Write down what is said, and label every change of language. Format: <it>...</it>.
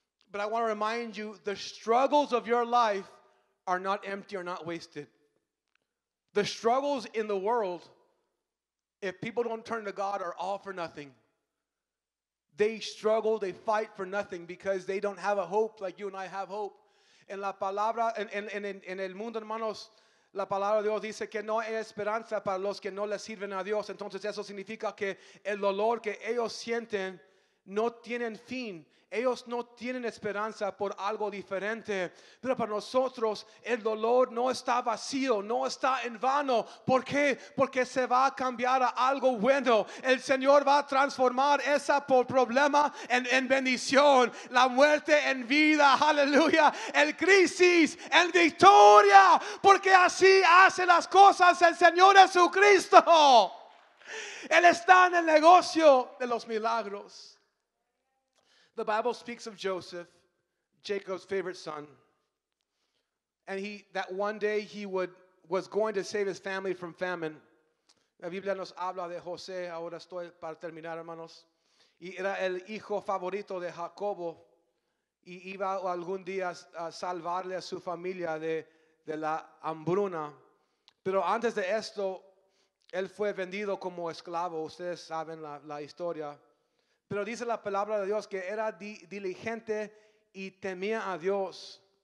<en>But I want to remind you, the struggles of your life are not empty or not wasted. The struggles in the world, if people don't turn to God, are all for nothing. They struggle, they fight for nothing because they don't have a hope like you and I have hope.</en> <es>En la palabra, en el mundo, hermanos, la palabra de Dios dice que no hay esperanza para los que no le sirven a Dios. Entonces eso significa que el dolor que ellos sienten no tienen fin. Ellos no tienen esperanza por algo diferente. Pero para nosotros el dolor no está vacío, no está en vano. ¿Por qué? Porque se va a cambiar a algo bueno. El Señor va a transformar ese problema en bendición. La muerte en vida, aleluya. El crisis en victoria. Porque así hace las cosas el Señor Jesucristo. Él está en el negocio de los milagros.</es> <en>The Bible speaks of Joseph, Jacob's favorite son, and he was going to save his family from famine.</en> <es>La Biblia nos habla de José. Ahora estoy para terminar, hermanos. Y era el hijo favorito de Jacobo, y iba algún día a salvarle a su familia de la hambruna. Pero antes de esto, él fue vendido como esclavo. Ustedes saben la historia. Pero dice la palabra de Dios que era diligente y temía a Dios.</es>